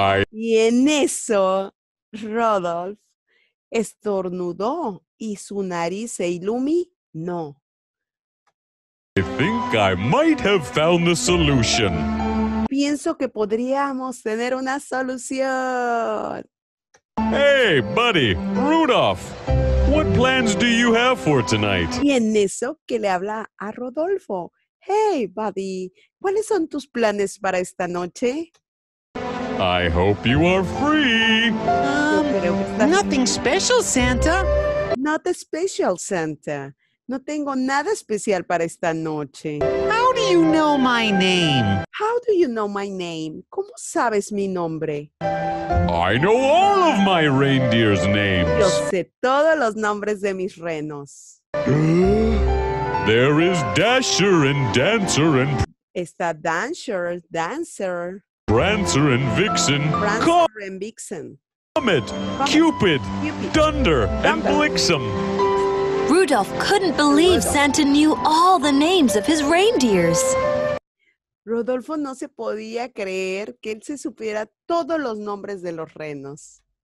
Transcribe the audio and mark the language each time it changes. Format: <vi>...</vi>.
<es>Y en eso, Rudolph estornudó y su nariz se iluminó.</es> <en>I think I might have found the solution.</en> <es>Pienso que podríamos tener una solución.</es> <en>Hey, buddy, Rudolph, what plans do you have for tonight?</en> <es>Y en eso que le habla a Rodolfo.</es> <en>Hey, buddy,</en> <es>¿cuáles son tus planes para esta noche?</es> <en>I hope you are free. Nothing special, Santa. Not special, Santa.</en> <es>No tengo nada especial para esta noche.</es> <en>How do you know my name? How do you know my name?</en> <es>¿Cómo sabes mi nombre?</es> <en>I know all of my reindeer's names.</en> <es>Yo sé todos los nombres de mis renos.</es> <en>There is Dasher and Dancer and...</en> <es>Está Dasher, Dancer.</es> <en>Prancer and Vixen. Prancer and Vixen. Comet, Cupid, Dunder, and Blixen. Rudolph couldn't believe Santa knew all the names of his reindeers.</en> <es>Rodolfo no se podía creer que él se supiera todos los nombres de los renos.</es>